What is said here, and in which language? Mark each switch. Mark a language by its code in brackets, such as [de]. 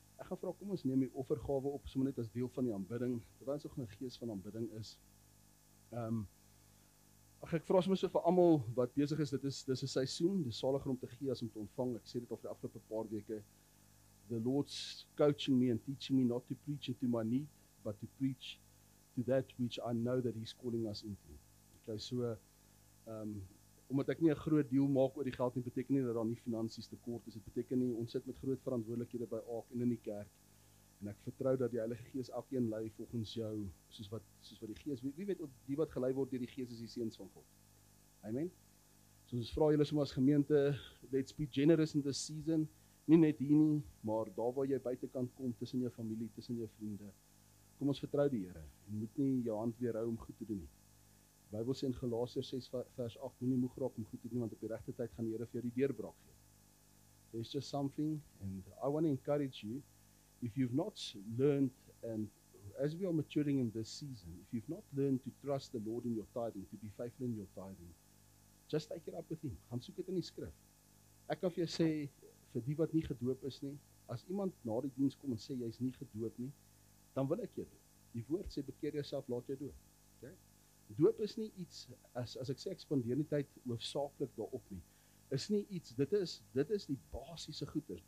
[af] gaan vra, kom ons neem die offergawe op, sommer net as deel van die aanbidding, terwyl ons ook 'n gees van aanbidding is. Ek vra sommer so vir almal wat besig is, dis 'n seisoen, dis salig om te gee as om te ontvang. Ek sê dit al vir die afgelope paar weke. [en] The Lord's coaching me and teaching me not to preach into my need, but to preach to that which I know that he's calling us into. [af] Okay, so omdat ek nie 'n groot deal maak oor die geld nie, beteken nie dat daar nie finansies tekort is. Dit beteken nie ons sit met groot verantwoordelikhede by Ark en in die kerk. En ek vertrou dat die Heilige Gees elkeen lei volgens jou, soos wat die Gees, wie weet, die wat gelei word deur die Gees is die seuns van God. Amen. So ons vra julle sommer as gemeente, [en] let's be generous in this season, [af] nie net hier nie, maar daar waar jy buitekant kom, tussen jou familie, tussen jou vriende. Kom ons vertrou die Here en moet nie jou hand weerhou om goed te doen nie. Bybel sê in Galasiërs 6 vers 8, moenie moeg raak om goed te doen, want op die regte tyd gaan die Here vir jou die deurbraak gee. [en] There's just something, and I want to encourage you, if you've not learned, and as we are maturing in this season, if you've not learned to trust the Lord in your tithing, to be faithful in your tithing, just take it up with him. [af] Gaan soek dit in die skrif. Ek kan vir jou sê, vir die wat nie gedoop is nie, as iemand na die diens kom en sê, jy is nie gedoop nie, dan wil ek jou doop. Die woord sê, bekeer jouself, laat jou doop. Okay? Doop is nie iets, as ek sê, ek spandeer die tyd hoofsaaklik daarop nie, is nie iets, dit is die basiese goeders.